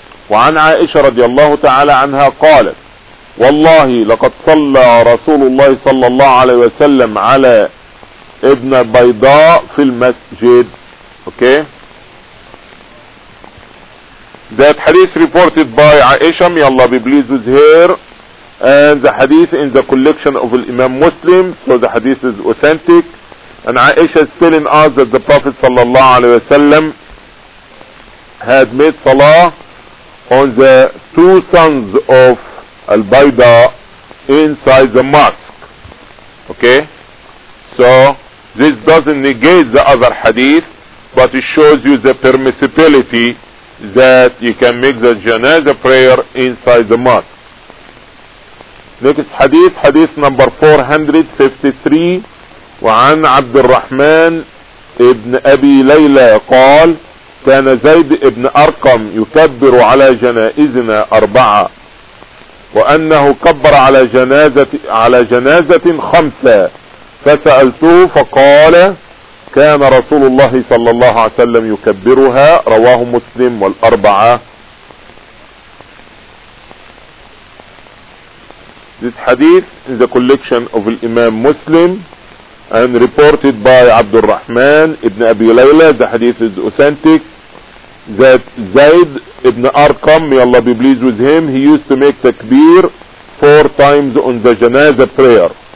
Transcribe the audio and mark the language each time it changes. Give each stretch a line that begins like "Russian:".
Arabic: وعن عائشة رضي الله تعالى عنها قالت والله لقد صلى رسول الله صلى الله عليه وسلم على ابن بيضاء في المسجد.
English: Okay. That hadith reported by Aisha, may Allah be pleased with her, and the hadith in the collection of Imam Muslim, so the hadith is authentic. And Aisha is telling us that the Prophet sallallahu alaihi wasallam had made salah on the two sons of Al Bayda inside the mosque. Okay. So this doesn't negate the other hadith, but it shows you the permissibility that you can make the janazah prayer inside the mosque. Next hadith, hadith number 453,
Arabic: وعن عبد الرحمن ابن ابي ليلى قال كان زيد ابن ارقم يكبر على جنائزنا اربعة وانه كبر على جنازة خمسة فسألته فقال كان رسول الله صلى الله عليه وسلم يكبرها رواه مسلم والاربعة.
English: This hadith is a collection of Imam Muslim and reported by Abdul Rahman ibn Abi Layla. The hadith is authentic that Zayd ibn Arqam, may Allah be pleased with him, he used to make takbir four times on the janazah prayer.